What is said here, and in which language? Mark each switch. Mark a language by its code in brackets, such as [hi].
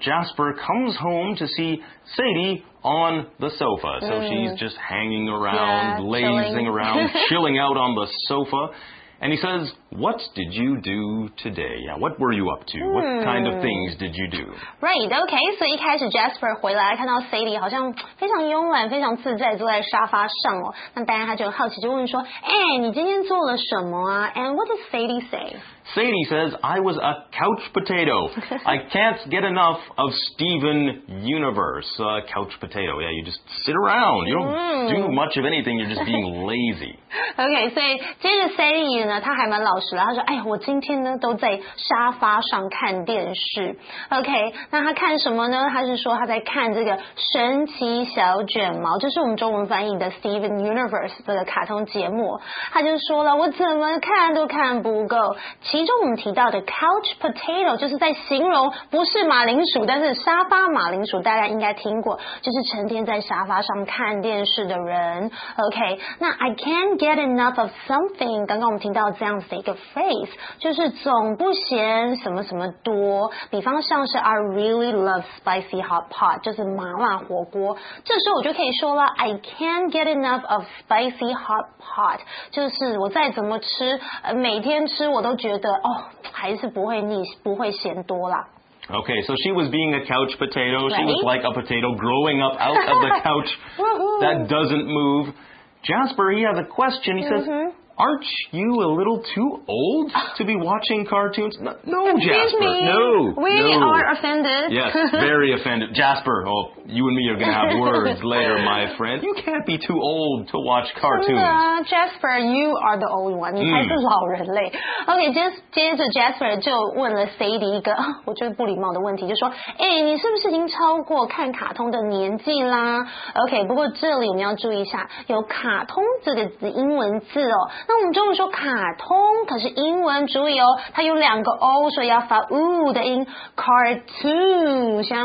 [en] Jasper comes home to see Sadie on the sofa. So she's just hanging around, lazing around, chilling out on the sofa. And he says, what did you do today? Yeah, what were you up to? What kind of things did you do? Right, okay. [zh] So, 一开始 Jasper 回来看到 Sadie 好像非常慵懒非常自在坐在沙发上哦。那当然他就好奇就问说你今天做了什么啊 [en] And what does Sadie say? Sadie says, I was a couch potato. I can't get enough of Steven Universe. Couch potato. Yeah, you just sit around. You don't do much of anything. You're just being lazy. [zh] Okay, so, 接着 Sadie 呢他还蛮老实了他说我今天呢都在沙发上看电视 OK 那他看什么呢他是说他在看这个神奇小卷毛就是我们中文翻译的 Steven Universe 的卡通节目他就说了我怎么看都看不够其中我们提到的 [en] couch potato [zh] 就是在形容不是马铃薯但是沙发马铃薯大家应该听过就是成天在沙发上看电视的人 OK 那 [en] I can't get enough of something [zh] 刚刚我们听到这样子的一个 phrase 就是总不嫌什么什么多比方像是 [en] I really love spicy hot pot [zh] 就是麻辣火锅这时候我就可以说了 [en] I can't get enough of spicy hot pot [zh] 就是我再怎么吃每天吃我都觉得哦，还是不会腻，不会嫌多啦。 [en] Okay, so she was being a couch potato. She was like a potato growing up out of the couch that doesn't move. Jasper, he has a question. He says, aren't you a little too old to be watching cartoons? No, Jasper. No. We are offended. Yes, very offended. Jasper, oh, you and me are going to have words later, my friend. You can't be too old to watch cartoons. Jasper, you are the old one. [zh] 你才是老人类。 Okay, 接着 Jasper 就问了 Sadie 一个我觉得不礼貌的问题就说你是不是已经超过看卡通的年纪啦 Okay, 不过这里我们要注意一下有卡通这个字英文字哦那我们中文说卡通可是英文注意哦它有两个 O 所以要发 U 的音 cartoon